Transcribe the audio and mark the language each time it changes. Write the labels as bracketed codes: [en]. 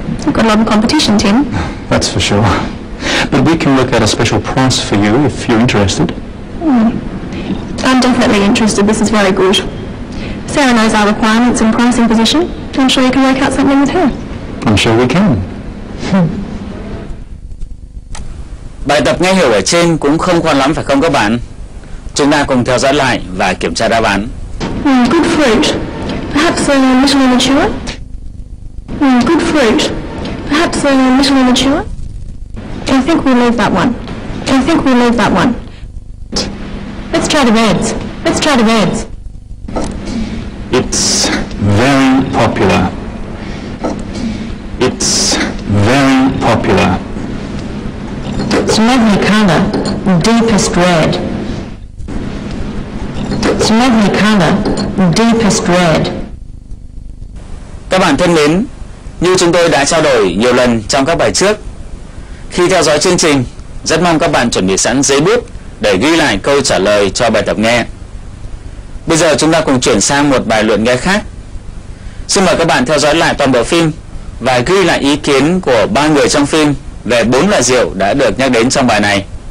[en] We've got a lot of competition, Tim. That's for sure. But we can work out a special price for you if you're interested. I'm definitely interested. This is very good. Sarah knows our requirements and pricing position. I'm sure you can work out something with her. I'm sure we can. [vi] Bài tập nghe hiểu ở trên cũng không khó lắm phải không các bạn? Chúng ta cùng theo dõi lại và kiểm tra đáp án. [en] Good fruit. Perhaps a little immature. Good fruit. Perhaps a little immature. I think we'll leave that one. I think we'll leave that one. Let's try the reds. Let's try the reds. It's very popular. It's very popular. It's lovely color, deepest red. It's lovely color, deepest red. [vi] Các bạn thân mến, như chúng tôi đã trao đổi nhiều lần trong các bài trước, khi theo dõi chương trình, rất mong các bạn chuẩn bị sẵn giấy bút để ghi lại câu trả lời cho bài tập nghe. Bây giờ chúng ta cùng chuyển sang một bài luận nghe khác. Xin mời các bạn theo dõi lại toàn bộ phim và ghi lại ý kiến của ba người trong phim về bốn loại rượu đã được nhắc đến trong bài này.